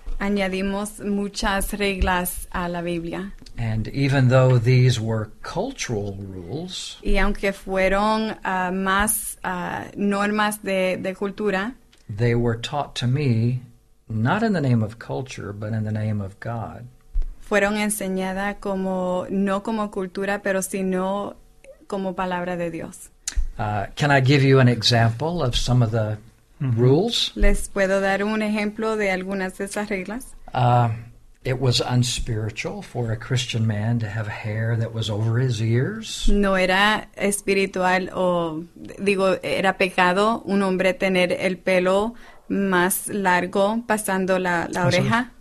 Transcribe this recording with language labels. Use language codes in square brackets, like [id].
[es] Añadimos muchas reglas a la Biblia. [en] And even though these were cultural rules, [es] y aunque fueron más normas de cultura, [en] they were taught to me not in the name of culture, but in the name of God. [es] Fueron enseñada como no como cultura, pero sino como palabra de Dios. [en] Can I give you an example of some of the rules? [es] Les puedo dar un ejemplo de algunas de esas reglas. [en] It was unspiritual for a Christian man to have hair that was over his ears. [es] No era espiritual o digo era pecado un hombre tener el pelo más largo pasando la oreja.